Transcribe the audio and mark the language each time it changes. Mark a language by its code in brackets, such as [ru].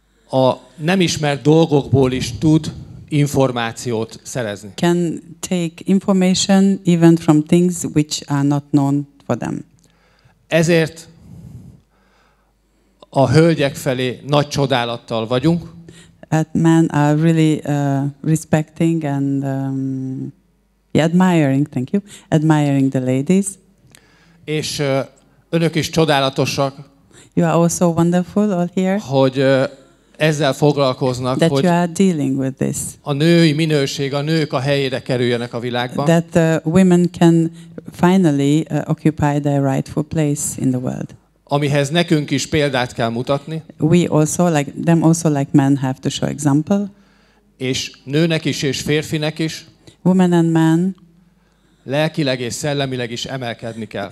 [hu] a nem ismert dolgokból is tud információt szerezni. [en] Can take information even from things which are not known for them. [hu] Ezért a hölgyek felé nagy csodálattal vagyunk. [en] That men are really respecting and admiring, thank you, admiring the ladies. [hu] És önök is csodálatosak. [en] You are also wonderful all here. [hu] Hogy ezzel foglalkoznak, [en] that [hu] hogy [en] you are dealing with this. [hu] A női minőség, a nők a helyére kerüljenek a világban. [en] That women can finally occupy their rightful place in the world. [hu] Amihez nekünk is példát kell mutatni. [en] We also like them also like men have to show example. [hu] És nőnek is és férfinek is. [en] Women and men. [hu] Lelkileg és szellemileg is emelkedni kell.